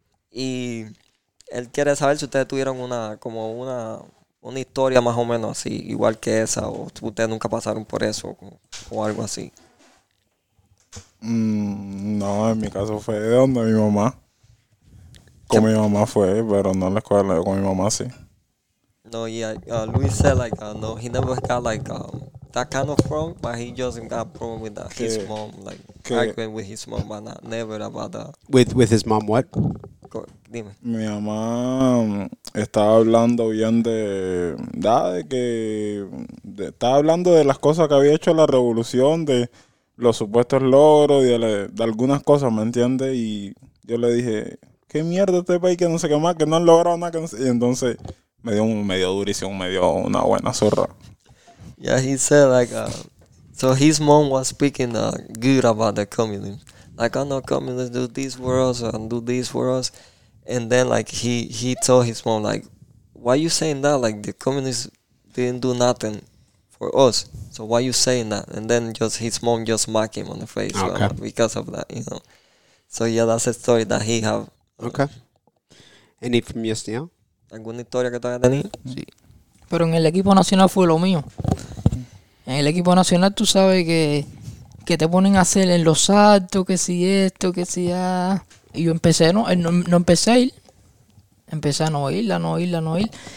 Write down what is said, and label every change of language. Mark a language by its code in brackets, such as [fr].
[es] Y él quiere saber si ustedes tuvieron una historia más o menos así, igual que esa, o si ustedes nunca pasaron por eso, o algo así. No, en mi caso fue de donde mi mamá. Con mi mamá fue, pero no en la escuela, con mi mamá sí. [en] No, yeah, Luis said, like, no, he never got, like, that kind of problem, but he just got problem with his mom, like, arguing with his mom, but never about that. With his mom what? [es] dime. Mi mamá estaba hablando bien estaba hablando de las cosas que había hecho la revolución, de los supuestos logros, de algunas cosas, ¿me entiendes? Y yo le dije, ¿qué mierda este país que no sé qué más, que no han logrado nada? Que no sé. Y entonces me dio durísimo, me dio una buena zorra. [en] Yeah, he said so his mom was speaking good about the communism. Like, I know communists do these worlds and do these worlds. And then, he told his mom, why you saying that? Like, the communists didn't do nothing for us. So why you saying that? And then his mom just smacked him on the face. Okay. Because of that, you know. So, yeah, that's a story that he have. Okay. Any from Yusniel? [es] ¿Alguna historia que te haya tenido? Sí. Pero en el equipo nacional fue lo mío. En el equipo nacional tú sabes que te ponen a hacer en los saltos, que si esto, que si ya. Y yo empecé a no ir.